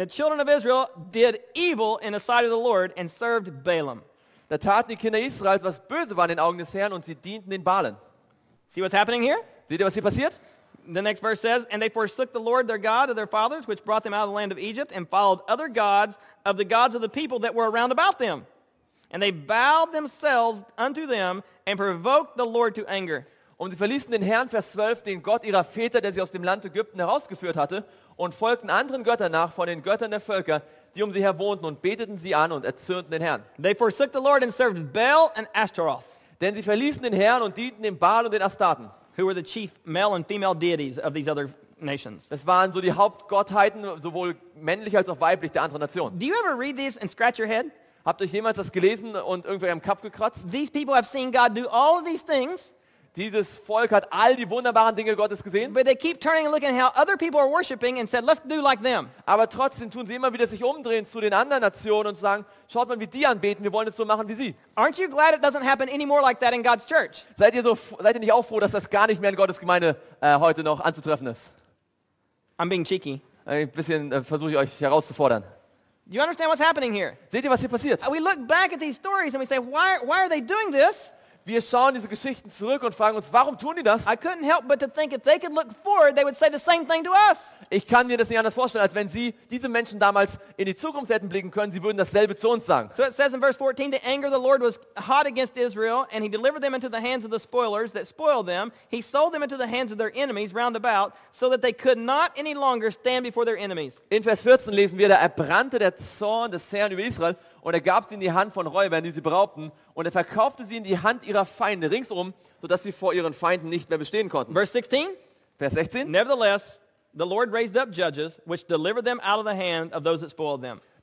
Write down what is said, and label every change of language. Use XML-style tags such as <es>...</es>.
<en>And the children of Israel did evil in the sight of the Lord and served Balaam.</en> <de>Da taten die Kinder Israels, was böse war in den Augen des Herrn, und sie dienten den Balen.</de> <en>See what's happening here?</en> <de>Seht ihr, was hier passiert?</de> <en>The next verse says, and they forsook the Lord their God of their fathers, which brought them out of the land of Egypt, and followed other gods of the gods of the people that were around about them. And they bowed themselves unto them and provoked the Lord to anger.</en> <de>Und sie verließen den Herrn, Vers 12, den Gott ihrer Väter, der sie aus dem Land Ägypten herausgeführt hatte, und folgten anderen Göttern nach von den Göttern der Völker, die um sie her wohnten, und beteten sie an und erzürnten den Herrn.</de> <en>They forsook the Lord and served Baal and Ashtaroth.</en> <de>Denn sie verließen den Herrn und dienten dem Baal und den Astarten.</de> <en>Who were the chief male and female deities of these other nations?</en> <de>Das waren so die Hauptgottheiten, sowohl männlich als auch weiblich, der anderen Nationen.</de> <en>Do you ever read these and scratch your head?</en> <de>Habt ihr jemals das gelesen und irgendwie am Kopf gekratzt?</de> <en>These people have seen God do all of these things.</en> <de>Dieses Volk hat all die wunderbaren Dinge Gottes gesehen.</de> <en>But they keep turning and looking at how other people are worshiping and said, let's do like them.</en> <de>Aber trotzdem tun sie immer wieder sich umdrehen zu den anderen Nationen und sagen, schaut mal, wie die anbeten, wir wollen es so machen wie sie.</de> <en>Aren't you glad it doesn't happen anymore like that in God's church?</en> <de>Seid ihr nicht auch froh, dass das gar nicht mehr in Gottes Gemeinde heute noch anzutreffen ist?</de> <en>I'm being cheeky.</en> <de>Ein bisschen versuche ich euch herauszufordern.</de> <en>Do you understand what's happening here?</en> <de>Seht ihr, was hier passiert?</de> <en>We look back at these stories and we say, why are they doing this?</en> <de>Wir schauen diese Geschichten zurück und fragen uns, warum tun die das?</de> <en>I couldn't help but to think if they could look forward, they would say the same thing to us.</en> <de>Ich kann mir das nicht anders vorstellen, als wenn sie diese Menschen damals in die Zukunft hätten blicken können, sie würden dasselbe zu uns sagen.</de> <en>So it says in verse 14, the anger of the Lord was hot against Israel, and he delivered them into the hands of the spoilers that spoiled them. He sold them into the hands of their enemies round about, so that they could not any longer stand before their enemies.</en> <de>In Vers 14 lesen wir, da erbrannte der Zorn des Herrn über Israel, und er gab sie in die Hand von Räubern, die sie beraubten, und er verkaufte sie in die Hand ihrer Feinde ringsum, sodass sie vor ihren Feinden nicht mehr bestehen konnten.</de> <en>Verse 16.</en> <de>Vers 16.</de> <en>Nevertheless, the Lord raised up judges, which delivered them out of the hand of those that spoiled them.</en>